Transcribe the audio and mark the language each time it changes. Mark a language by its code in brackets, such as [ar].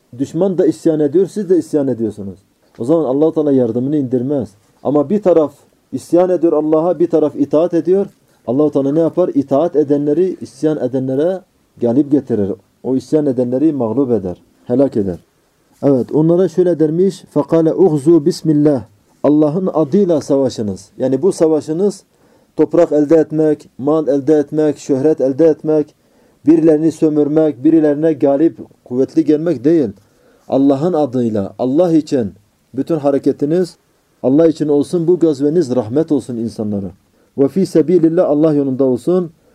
[tr] Düşman da isyan ediyor, siz de isyan ediyorsunuz. O zaman Allah-u Teala yardımını indirmez. Ama bir taraf isyan ediyor Allah'a, bir taraf itaat ediyor. Allah-u Teala ne yapar? İtaat edenleri isyan edenlere galip getirir. O isyan edenleri mağlup eder, helak eder. Evet, onlara şöyle dermiş. [ar] فَقَالَ اُغْزُوا بِسْمِ اللّٰهِ [tr] Allah'ın adıyla savaşınız. Yani bu savaşınız toprak elde etmek, mal elde etmek, şöhret elde etmek, birilerini sömürmek, birilerine galip, kuvvetli gelmek değil. Allah'ın adıyla, Allah için bütün hareketiniz Allah için olsun. Bu gazveniz rahmet olsun insanlara. [ar] وَفِي سَب۪يلِ اللّٰهِ [tr] Allah yolunda olsun.